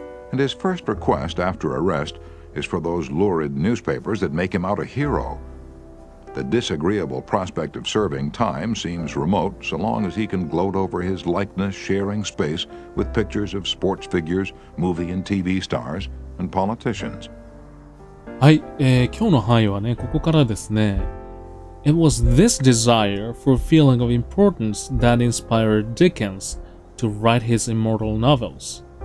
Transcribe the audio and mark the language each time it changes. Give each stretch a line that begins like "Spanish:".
English: And his first request after arrest is for those lurid newspapers that make him out a hero. The disagreeable prospect of serving time seems remote so long as he can gloat over his likeness sharing space with pictures of sports figures, movie and TV stars, and politicians.
Japanese: はい、今日の範囲はね、ここからですね。
English: It was this desire for a feeling of importance that inspired Dickens to write his immortal novels.